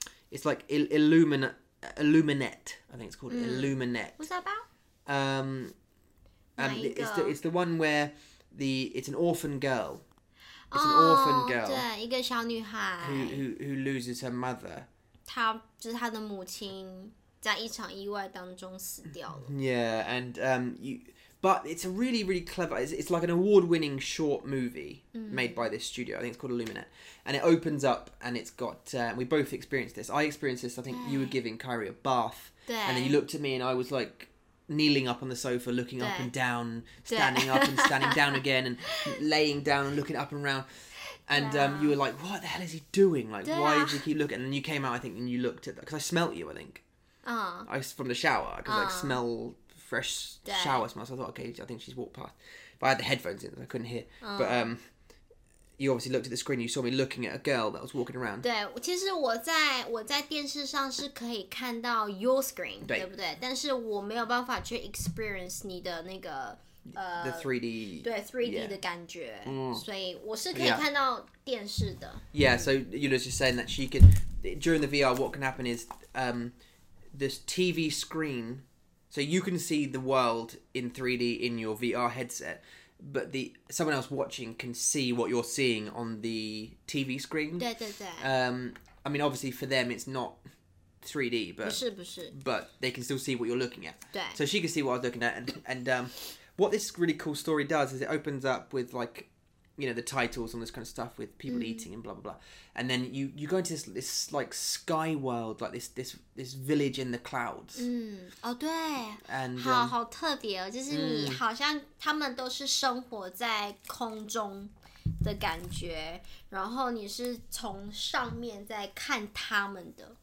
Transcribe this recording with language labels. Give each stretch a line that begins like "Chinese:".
English: It's like Illuminate, I think it's called Illuminate. What's that about? It's the one where the it's an orphan girl. It's an orphan girl.
Chinese: 对，一个小女孩。
English: Who loses her mother.
Chinese: 她就是她的母亲在一场意外当中死掉了。
English: Yeah, and but it's a really, really clever, it's like an award-winning short movie made by this studio. I think it's called Illuminate. And it opens up and it's got, we both experienced this. I experienced this, I think you were giving Kyrie a bath. And then you looked at me and I was like kneeling up on the sofa, looking up and down, standing up and standing down again and laying down and looking up and around. And you were like, what the hell is he doing? Like, why does he keep looking? And then you came out, I think, and you looked at that. Because I smelt you, I think. From the shower, because I like, smelled... Fresh shower smells. I thought, okay, I think she's walked past. But I had the headphones in, I couldn't hear. But you obviously looked at the screen, you saw me looking at a girl that was walking around.
Chinese: 对，其实我在电视上是可以看到 your screen，对不对？但是我没有办法去 experience 你的那个
English: the 3D
Chinese: 对 3D 的感觉，所以我是可以看到电视的。
English: Yeah, so Yuna's just saying that she can during the VR, what can happen is this TV screen. So you can see the world in 3D in your VR headset, but the someone else watching can see what you're seeing on the TV screen.
Chinese: 对对对。
English: I mean, obviously for them it's not 3D, but
Chinese: 不是不是。
English: But they can still see what you're looking at.
Chinese: 对。
English: So she can see what I was looking at, and what this really cool story does is it opens up with like, you know, the titles and this kind of stuff with people eating and blah blah blah, and then you go into this like sky world, like this village in the clouds.
Chinese: 嗯，哦对，
English: and,
Chinese: 好好特别哦，就是你好像他们都是生活在空中的感觉，然后你是从上面在看他们的。